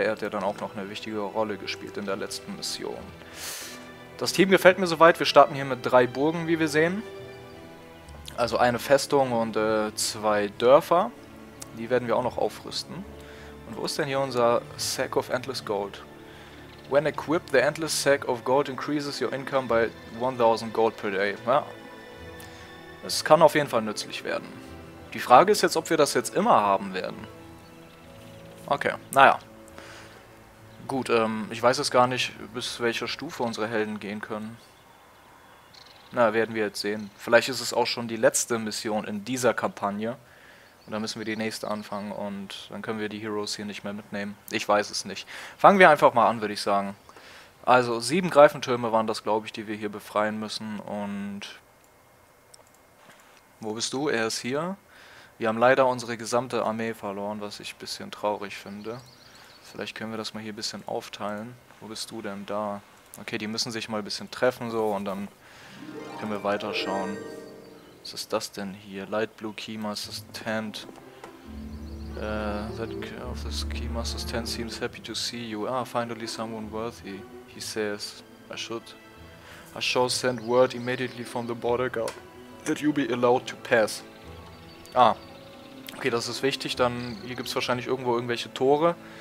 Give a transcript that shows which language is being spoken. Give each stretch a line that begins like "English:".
German: Er hat ja dann auch noch eine wichtige Rolle gespielt in der letzten Mission. Das Team gefällt mir soweit. Wir starten hier mit 3 Burgen, wie wir sehen. Also eine Festung und 2 Dörfer. Die werden wir auch noch aufrüsten. Und wo ist denn hier unser Sack of Endless Gold?
English: When equipped, the endless sack of gold increases your income by 1000 gold per day.
German: Ja. Es kann auf jeden Fall nützlich werden. Die Frage ist jetzt, ob wir das jetzt immer haben werden. Okay, naja. Gut, ich weiß jetzt gar nicht, bis welcher Stufe unsere Helden gehen können. Na, werden wir jetzt sehen. Vielleicht ist es auch schon die letzte Mission in dieser Kampagne. Und dann müssen wir die nächste anfangen und dann können wir die Heroes hier nicht mehr mitnehmen. Ich weiß es nicht. Fangen wir einfach mal an, würde ich sagen. Also 7 Greifentürme waren das, glaube ich, die wir hier befreien müssen. Und wo bist du? Er ist hier. Wir haben leider unsere gesamte Armee verloren, was ich ein bisschen traurig finde. Vielleicht können wir das mal hier ein bisschen aufteilen. Wo bist du denn da? Okay, die müssen sich mal ein bisschen treffen so und dann können wir weiterschauen. Was ist das denn hier? Light Blue Keymaster's Tent.
English: That care of this Keymaster's Tent seems happy to see you. Ah, finally someone worthy. He says, I shall send word immediately from the border guard that you be allowed to pass.
German: Ah, okay, das ist wichtig. Dann, hier gibt es wahrscheinlich irgendwo irgendwelche Tore.